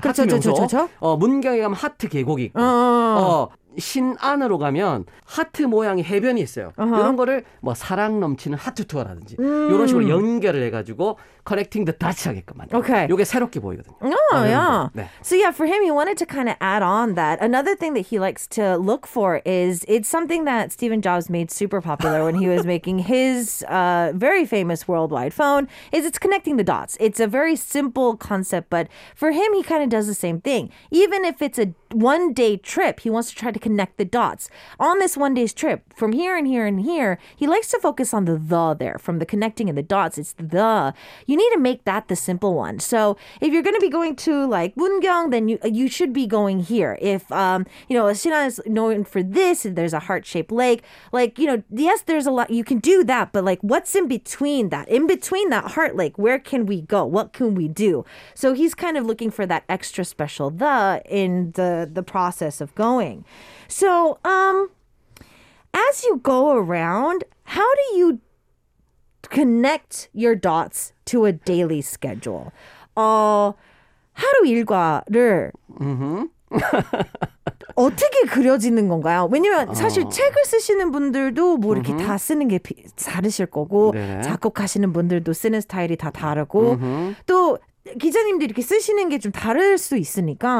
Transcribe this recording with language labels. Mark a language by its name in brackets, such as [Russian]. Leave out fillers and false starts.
[Korean] 그렇죠, 하트 명소. 그렇죠, 그렇죠. 문경에 가면 하트 계곡이 있고 신안으로 가면 하트 모양의 해변이 있어요. 이런 거를 뭐 사랑 넘치는 하트 투어라든지 이런 식으로 연결을 해가지고 [English] connecting the dots [Korean] 하게끔 만들어. 오케이. 이게 새롭게 보이거든요. [English] So yeah, for him, he wanted to kind of add on that. Another thing that he likes to look for is it's something that Steve Jobs made super popular when he was making his very famous worldwide phone. Is it's connecting the dots. It's a very simple concept, but for him, he kind of does the same thing. Even if it's a one-day trip, he wants to try to connect the dots. On this one-day trip, from here and here and here, he likes to focus on the there, from the connecting and the dots. It's the. You need to make that the simple one. So if you're going to be going to, like, 문경, then you should be going here. If, you know, Sinan is known for this, and there's a heart-shaped lake, like, you know, yes, there's a lot. You can do that, but, like, what's in between that? In between that heart lake, where can we go? What can we do? So he's kind of looking for that extra special the in the process of going. So as you go around, how do you connect your dots to a daily schedule? [Korean] 하루 일과를 어떻게 그려지는 건가요? 왜냐면 사실 책을 쓰시는 분들도 뭐 이렇게 다 쓰는 게 다르실 거고 네. 작곡하시는 분들도 쓰는 스타일이 다 다르고 또 기자님도 이렇게 쓰시는 게 좀 다를 수 있으니까